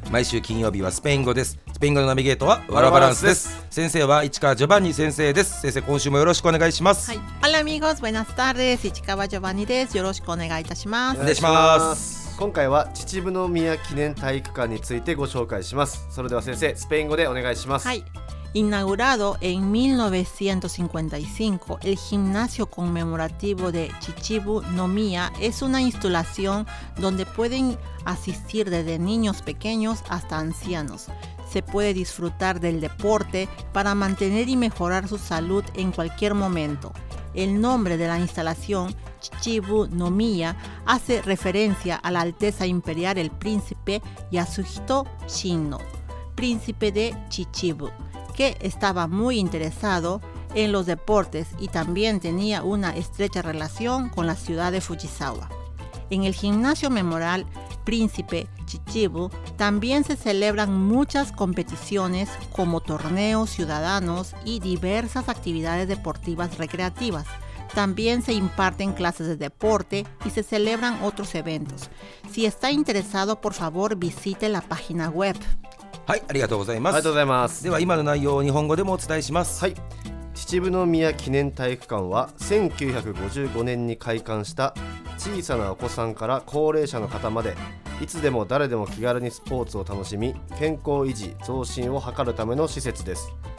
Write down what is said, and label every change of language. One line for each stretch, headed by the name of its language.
Japanese: 毎週金曜日はスペイン語です。スペイン語のナビゲートはワラバランスです。先生は市川ジョバンニ先生です。先生今週もよろしくお願いします。はい、アラミゴスベナスタールです。市川ジョバンニです。よろしくお願いいたします。お願いします。今回は秩父の宮記念体育館についてご紹介します。それでは先生スペイン語でお願いします。
Spanish: はい、inaugurado en 1955, el gimnasio conmemorativo de Chichibu no Miya es una instalación donde pueden asistir desde niños pequeños hasta ancianos. Se puede disfrutar del deporte para mantener y mejorar su salud en cualquier momento. El nombre de la instalación, Chichibu no Miya, hace referencia a la Alteza Imperial el Príncipe Yasuhito Shinno, Príncipe de Chichibu. que estaba muy interesado en los deportes y también tenía una estrecha relación con la ciudad de Fujisawa. En el gimnasio memorial Príncipe Chichibu también se celebran muchas competiciones como torneos ciudadanos y diversas actividades deportivas recreativas. También se imparten clases de deporte y se celebran otros eventos. Si está interesado, por favor visite la página web.
Japanese: はい、ありがとうございます。ありがとうございます。では今の内容を日本語でもお伝えします。はい、秩父の宮記念体育館は1955年に開館した。小さなお子さんから高齢者の方までいつでも誰でも気軽にスポーツを楽しみ健康維持増進を図るための施設です。